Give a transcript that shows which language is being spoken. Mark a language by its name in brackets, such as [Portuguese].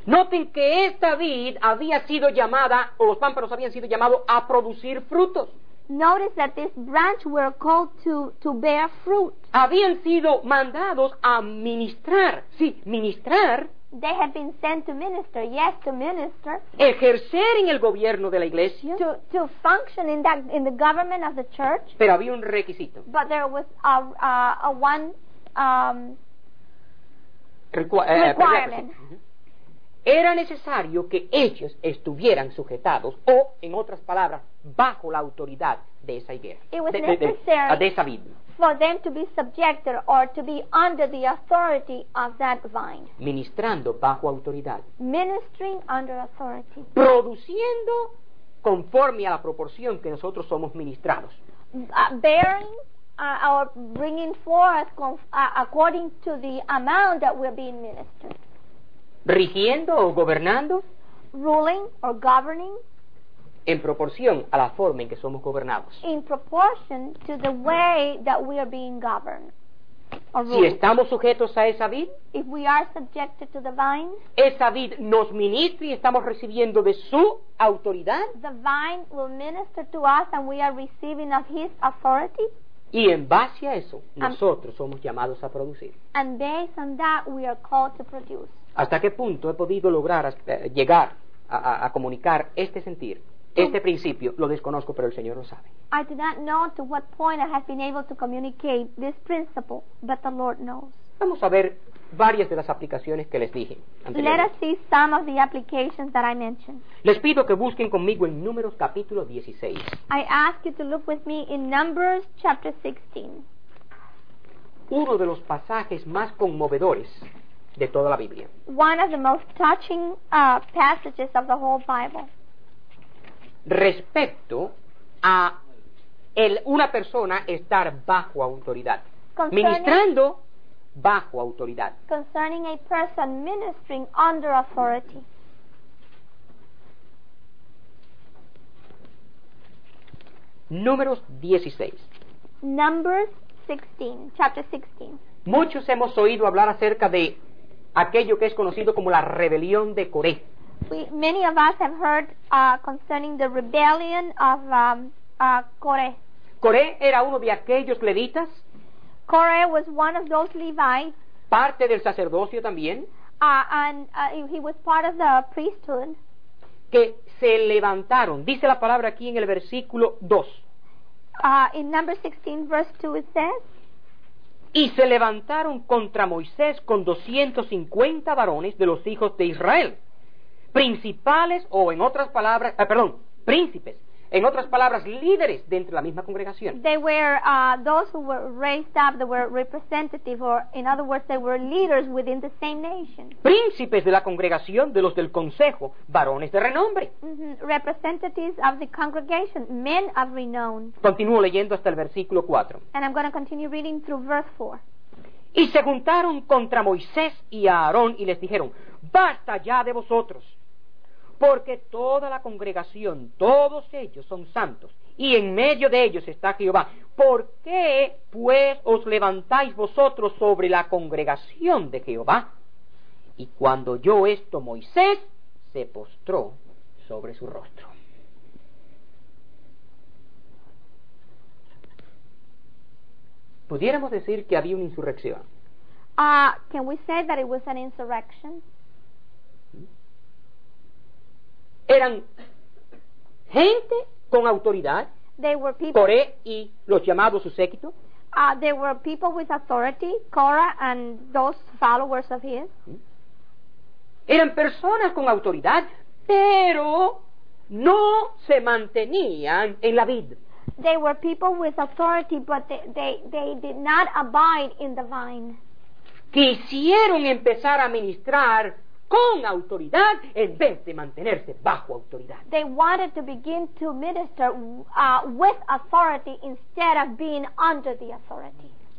[Spanish] Noten que esta vid había sido llamada, o los pámpanos habían sido llamados a producir frutos. [English] Notice that this branch were called to bear fruit. [Spanish] Habían sido mandados a ministrar. Sí, ministrar. [English] They had been sent to minister. Yes, to minister. [Spanish] Ejercer en el gobierno de la iglesia. [English] To function in the government of the church. [Spanish] Pero había un requisito. [English] But there was a one requirement. [Spanish] Era necesario que ellos estuvieran sujetados, o en otras palabras, bajo la autoridad de esa higuera. [English] It was necessary [Spanish] de esa vid. [English] For them to be subjected or to be under the authority of that vine. [Spanish] Ministrando bajo autoridad. [English] Ministering under authority. [Spanish] Produciendo conforme a la proporción que nosotros somos ministrados. [English] Bearing or bringing forth according to the amount that we're being ministered. [Spanish] Rigiendo o gobernando. [English] Ruling or governing. [Spanish] En proporción a la forma en que somos gobernados. [English] In proportion to the way that we are being governed. [Spanish] Si estamos sujetos a esa vid, [English] if we are subjected to the vine, [Spanish] esa vid nos ministra y estamos recibiendo de su autoridad. [English] The vine will minister to us and we are receiving of his authority. [Spanish] Y en base a eso, nosotros somos llamados a producir. [English] And based on that, we are called to produce. [Spanish] ¿Hasta qué punto he podido lograr llegar a comunicar este sentir, este principio? Lo desconozco, pero el Señor lo sabe. [English] I do not know to what point I have been able to communicate this principle, but the Lord knows. [Spanish] Vamos a ver varias de las aplicaciones que les dije anteriormente. [English] Let us see some of the applications that I mentioned. [Spanish] Les pido que busquen conmigo en Números capítulo 16. [English] I ask you to look with me in Numbers chapter 16. [Spanish] Uno de los pasajes más conmovedores de toda la Biblia. [English] One of the most touching passages of the whole Bible. [Spanish] Respecto a una persona estar bajo autoridad. [English] Concerning [Spanish] ministrando bajo autoridad. [English] Concerning a person ministering under authority. [Spanish] Números 16. [English] Numbers 16, chapter 16. [Spanish] Muchos hemos oído hablar acerca de aquello que es conocido como la rebelión de Coré. [English] Many of us have heard concerning the rebellion of Coré. [Spanish] Coré era uno de aquellos levitas. [English] Coré was one of those Levites. [Spanish] Parte del sacerdocio también. [English] He was part of the priesthood. [Spanish] Que se levantaron. Dice la palabra aquí en el versículo 2. [English] In number 16, verse 2, it says. [Spanish] Y se levantaron contra Moisés con 250 varones de los hijos de Israel. Principales, o en otras palabras, príncipes. En otras palabras, líderes dentro de la misma congregación. [English] They were those who were raised up, they were representative, or in other words, they were leaders within the same nation. [Spanish] Príncipes de la congregación, de los del consejo, varones de renombre. [English] Representatives of the congregation, men of renown. [Spanish] Continúo leyendo hasta el versículo 4. [English] And I'm going to continue reading through verse 4. [Spanish] Y se juntaron contra Moisés y a Aarón y les dijeron, basta ya de vosotros. Porque toda la congregación, todos ellos son santos, y en medio de ellos está Jehová. ¿Por qué, pues, os levantáis vosotros sobre la congregación de Jehová? Y cuando oyó esto, Moisés se postró sobre su rostro. ¿Pudiéramos decir que había una insurrección? [English] Can we say that it was an insurrection? [Spanish] Eran gente con autoridad. [English] They were people. [Spanish] Coré y los llamados su séquito. [English] They were people with authority, Korah and those followers of his. [Spanish] Eran personas con autoridad, pero no se mantenían en la vid. [English] They were people with authority, but they did not abide in the vine. [Spanish] Quisieron empezar a ministrar con autoridad en vez de mantenerse bajo autoridad. [English] They wanted to begin to minister with authority instead of being under the authority.